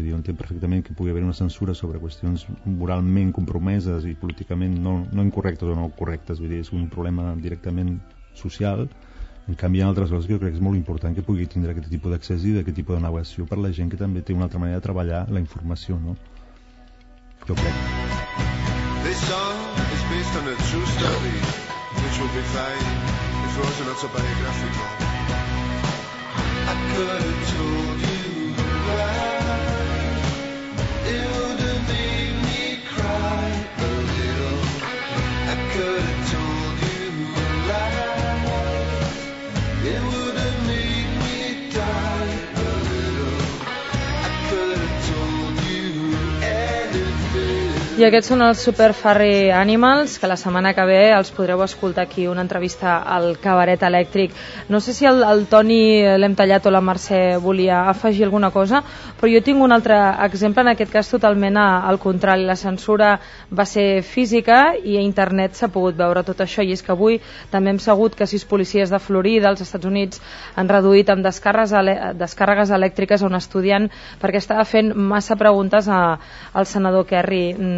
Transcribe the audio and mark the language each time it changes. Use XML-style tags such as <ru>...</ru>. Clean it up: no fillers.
<ca>Vull dir, entenc perfectament que pugui haver una censura sobre qüestions moralment compromeses i políticament no incorrectes o no correctes. Vull dir, és un problema directament social. En canvi, en altres coses, jo crec que és molt important que pugui tindre aquest tipus d'accés i d'aquest tipus de navegació per la gent que també té una altra manera de treballar la informació, no? Jo crec.</ca> <en>This song is based on a true story, which would be fine if it wasn't autobiographical. I could have told you why it would have made me cry a little. I could have told you why it would have made me die a little. I could have told you anything.</en> <ca>I aquests són els Super Furry Animals, que la setmana que ve els podreu escoltar aquí una entrevista al Cabaret Elèctric. No sé si el Toni l'hem tallat o la Mercè volia afegir alguna cosa, però jo tinc un altre exemple, en aquest cas totalment al contrari. La censura va ser física i a internet s'ha pogut veure tot això, i és que avui també hem sabut que 6 policies de Florida, als Estats Units, han reduït amb descàrregues elèctriques a un estudiant perquè estava fent massa preguntes al senador Kerry.</ca>